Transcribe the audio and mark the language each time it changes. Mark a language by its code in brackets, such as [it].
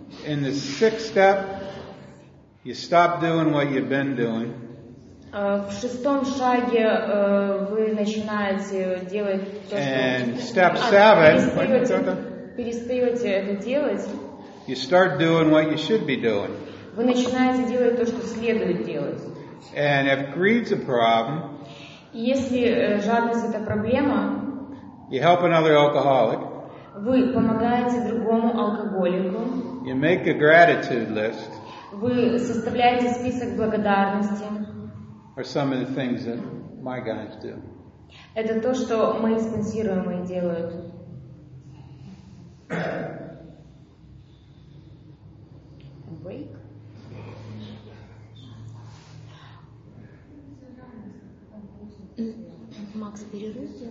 [en] In the sixth step, you stop doing what you've been doing. [ru] В шестом шаге вы начинаете делать то, что [en] step seven, [ru] перестаете это делать. [en] You start doing what you should be doing. [ru] Вы начинаете делать то, что следует делать. [en] And if greed's a problem, [ru] если жадность это проблема, [en] you help another alcoholic. [ru] Вы помогаете другому алкоголику. [en] You make a gratitude list. [ru] Вы составляете список благодарности. [en] Or some of the things that my guys do. [ru] Это то, что мои спонсируемые делают. [en] Break. [ru] Макс, перерыв.